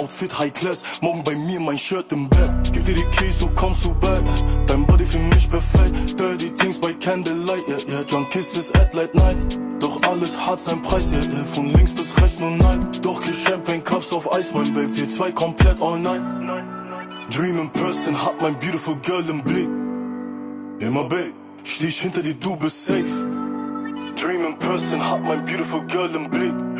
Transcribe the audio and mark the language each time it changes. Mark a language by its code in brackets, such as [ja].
[de] High class, morgen bei mir mein Shirt im Bett. Gib dir die Keys, so kommst du back. Dein Body für mich perfekt. [en] Dirty things by candlelight, yeah, yeah. Drunk kisses at late night. [de] Doch alles hat seinen Preis, yeah, yeah. Von links bis rechts nur nein. Doch hier Champagne Cups auf Eis, mein Babe. Wir zwei komplett all night. [en] Dream in person, [de] hab mein beautiful girl im Blick. Immer Babe, schließ hinter dir, du bist safe. [en] Dream in person, [de] hab mein beautiful girl im Blick.